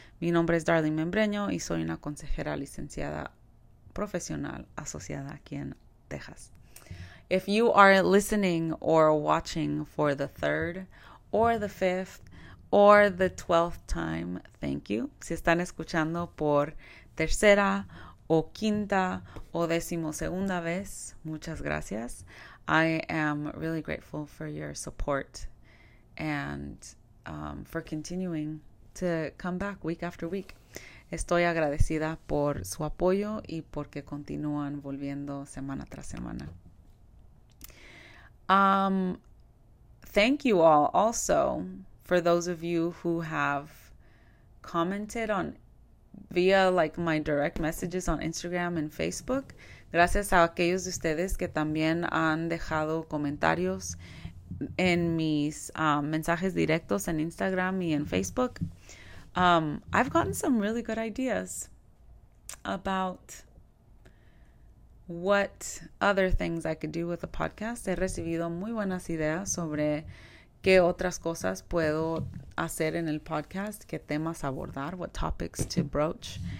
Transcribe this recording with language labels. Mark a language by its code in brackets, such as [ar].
[es] Mi nombre es Darling Membreño y soy una consejera licenciada profesional asociada aquí en Texas. [en] If you are listening or watching for the third or the fifth or the 12th time, thank you. [es] Si están escuchando por tercera o quinta o decimosegunda vez, muchas gracias. [en] I am really grateful for your support and for continuing to come back week after week. [es] Estoy agradecida por su apoyo y porque continúan volviendo semana tras semana. [en] Thank you all also for those of you who have commented on via like my direct messages on Instagram and Facebook. [es] Gracias a aquellos de ustedes que también han dejado comentarios en mis mensajes directos en Instagram y en Facebook. [en] I've gotten some really good ideas about what other things I could do with the podcast. [es] He recibido muy buenas ideas sobre qué otras cosas puedo hacer en el podcast, qué temas abordar, [en] what topics to broach.